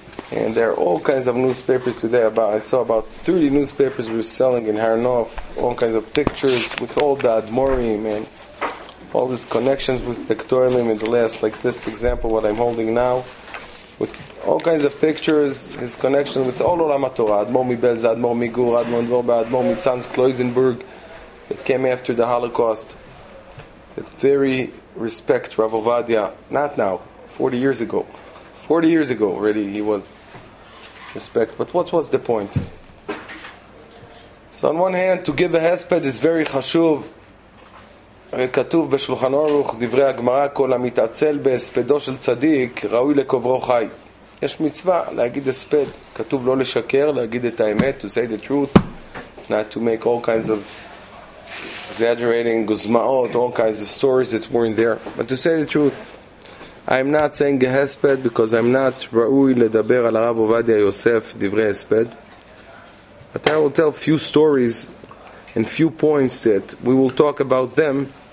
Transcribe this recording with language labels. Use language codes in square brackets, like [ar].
[en] And there are all kinds of newspapers today. I saw about 30 newspapers we were selling in Har Nof, all kinds of pictures with all the Admorim and all these connections with the Ketorim in the last, like this example, what I'm holding now, with all kinds of pictures, his connection with all Olam HaTorah, Admor Mibelz, Admor Migur, Admor Dvorba, Admor Mitzanz, Kloisenberg, that came after the Holocaust, that very respect Rav Ovadia, not now, 40 years ago. 40 years ago already he was respect. But what was the point? So on one hand, to give a hesped is very chashuv. [he] כתוב בשולחן אורוך דברי הגמרא כל המתעצל בהספדו של צדיק ראוי לקוברו חי. יש מצווה להגיד הספד, כתוב לא לשקר, להגיד את האמת, [en] to say the truth, not to make all kinds of exaggerating גוזמאות, all kinds of stories that weren't there, but to say the truth. I'm not saying a הספד because I'm not [he] ראוי לדבר על הרב עובדיה יוסף דברי הספד, [en] but I will tell few stories and few points that we will talk about them.